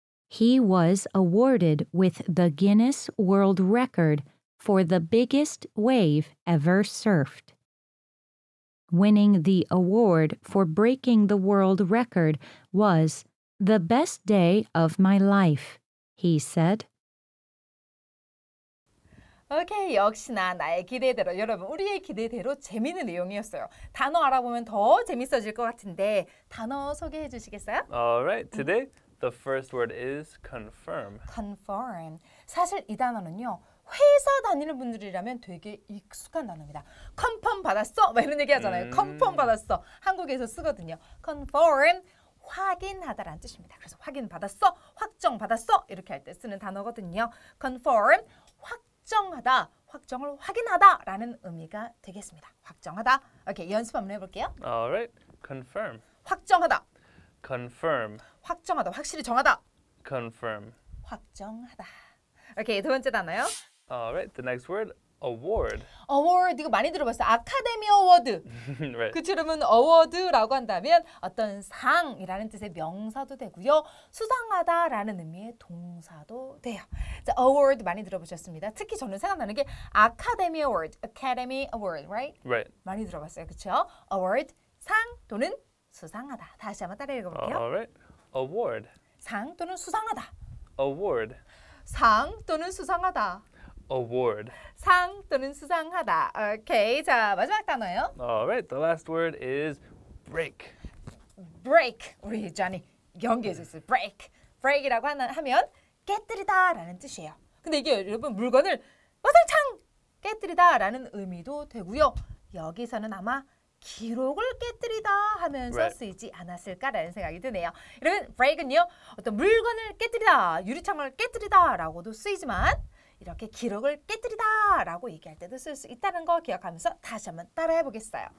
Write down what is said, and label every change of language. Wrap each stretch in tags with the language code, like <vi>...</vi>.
<en>He was awarded with the Guinness World Record for the biggest wave ever surfed. Winning the award for breaking the world record was the best day of my life, he said.</en> <ko>Okay, 역시나 나의 기대대로, 여러분, 우리의 기대대로 재미있는 내용이었어요. 단어 알아보면 더 재밌어질 것 같은데, 단어 소개해 주시겠어요?</ko> <en>All right, today the first word is confirm. Confirm.</en> <ko>사실 이 단어는요, 회사 다니는 분들이라면 되게 익숙한 단어입니다. Confirm 받았어? 막 이런 얘기 하잖아요. Confirm 받았어. 한국에서 쓰거든요. Confirm, 확인하다라는 뜻입니다. 그래서 확인받았어, 확정받았어 이렇게 할 때 쓰는 단어거든요. Confirm, 확정하다, 확정을 확인하다라는 의미가 되겠습니다. 확정하다. 오케이, 연습 한번 해볼게요.</ko> <en>Alright, confirm.</en> <ko>확정하다.</ko> <en>Confirm.</en> <ko>확정하다, 확실히 정하다.</ko> <en>Confirm.</en> <ko>확정하다. 오케이, 두 번째 단어요.</ko> <en>Alright, the next word, award.</en> <ko>Award, 이거 많이 들어봤어요. 아카데미 어워드.</ko> <en>Right.</en> <ko>그 이름은 어워드라고 한다면 어떤 상이라는 뜻의 명사도 되고요. 수상하다라는 의미의 동사도 돼요. 자, award 많이 들어보셨습니다. 특히 저는 생각나는 게 아카데미 어워드,</ko> <en>Academy Award, right? Right.</en> <ko>많이 들어봤어요, 그렇죠? Award, 상 또는 수상하다. 다시 한번 따라 읽어볼게요.</ko> <en>Alright, award.</en> <ko>상 또는 수상하다.</ko> <en>Award.</en> <ko>상 또는 수상하다.</ko> <en>Award.</en> <ko>상 또는 수상하다. Okay, 자, 마지막 단어요.</ko> <en>Alright, the last word is break. Break.</en> <ko>우리 Johnny 연기해서 있어요.</ko> <en>Break.</en> <ko>Break이라고 하면 깨뜨리다 라는 뜻이에요. 근데 이게 여러분 물건을 와상창 깨뜨리다 라는 의미도 되고요. 여기서는 아마 기록을 깨뜨리다 하면서</ko> <en>right.</en> <ko>쓰이지 않았을까라는 생각이 드네요. 여러분, break은요, 어떤 물건을 깨뜨리다, 유리창을 깨뜨리다 라고도 쓰이지만 이렇게 기록을 깨뜨리다 라고 얘기할 때도 쓸 수 있다는 거 기억하면서 다시 한번 따라해보겠어요.</ko>